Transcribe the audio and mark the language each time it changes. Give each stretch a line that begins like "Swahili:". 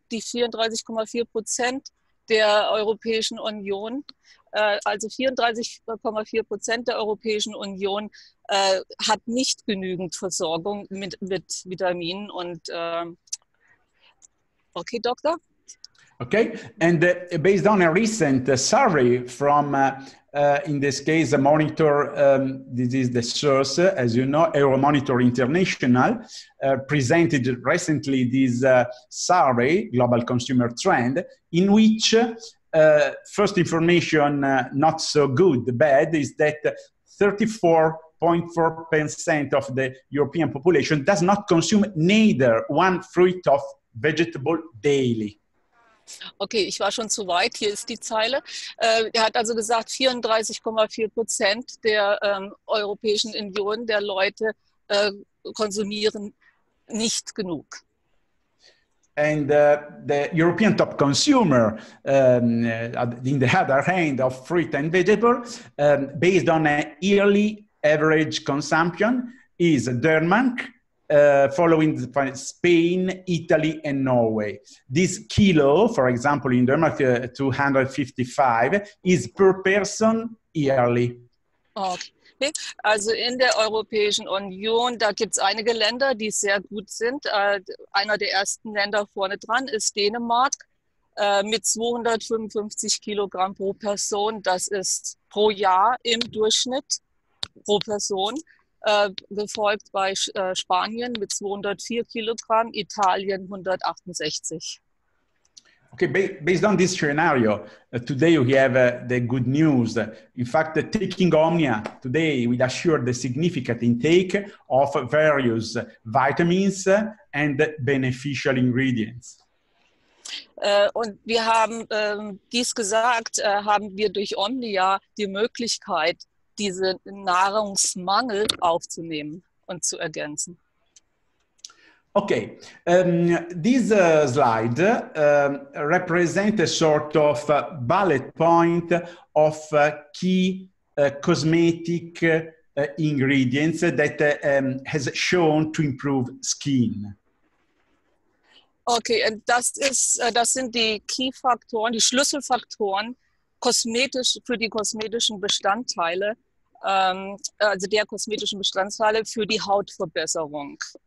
German: Die 34,4% der Europäischen Union. Also 34,4% der Europäischen Union hat nicht genügend Versorgung mit Vitaminen und okay, Doktor?
English: Okay, and based on a recent survey from in this case, a monitor, this is the source, as you know, Euromonitor International, presented recently this survey, Global Consumer Trend, in which first information, not so good, bad, is that 34.4% of the European population does not consume neither one fruit of vegetable daily.
German: Okay, ich war schon zu weit. Hier ist die Zeile. Er hat also gesagt, 34,4% der Europäischen Union, der Leute konsumieren nicht genug.
English: And the European top consumer, in the other hand of fruit and vegetable, based on a yearly average consumption, is Denmark, following Spain, Italy, and Norway. This kilo, for example, in Denmark, 255, is per person yearly. Okay.
German: Also in der Europäischen Union, da gibt es einige Länder, die sehr gut sind. Einer der ersten Länder vorne dran ist Dänemark mit 255 Kilogramm pro Person. Das ist pro Jahr im Durchschnitt pro Person. Gefolgt bei Spanien mit 204 Kilogramm, Italien 168.
English: Okay, based on this scenario, today we have the good news. In fact, taking Omnia today will assure the significant intake of various vitamins and beneficial ingredients.
German: Und wir haben dies gesagt, haben wir durch Omnia die Möglichkeit, diesen Nahrungsmangel aufzunehmen und zu ergänzen.
English: Okay, this slide represents a sort of bullet point of key cosmetic ingredients that has shown to improve skin.
German: Okay, und das sind die Key-Faktoren, die Schlüsselfaktoren kosmetisch für die kosmetischen Bestandteile, also der kosmetischen Bestandteile für die Hautverbesserung.